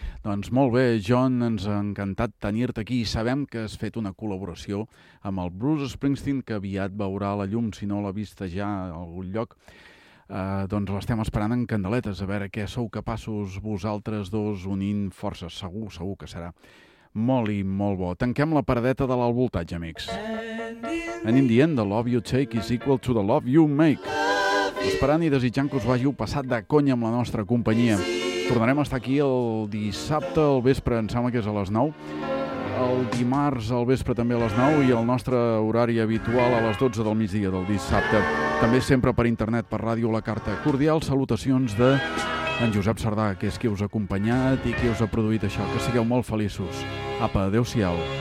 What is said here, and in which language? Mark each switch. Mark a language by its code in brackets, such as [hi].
[ca] Doncs molt bé, John, ens ha encantat tenir-te aquí. Sabem que has fet una col·laboració amb el Bruce Springsteen que aviat veurà la llum, si no l'ha vista ja a algun lloc. Doncs l'estem esperant en candeletes, a veure què sou capaços vosaltres dos unint forces. Segur, segur que serà molt i molt bo. Tanquem la paradeta de l'alvoltatge, amics. [en] And in the end, the love you take is equal to the love you make. [ca] Esperant i desitjant que us ho hàgiu passat de conya amb la nostra companyia. Tornarem a estar aquí el dissabte al vespre, em sembla que és a les 9. El dimarts al vespre també a les 9 i el nostre horari habitual a les 12 del migdia del dissabte. També sempre per internet, per ràdio, la carta. Cordial salutacions de en Josep Cerdà, que és qui us ha acompanyat i qui us ha produït això. Que sigueu molt feliços. Apa, adeu-siau.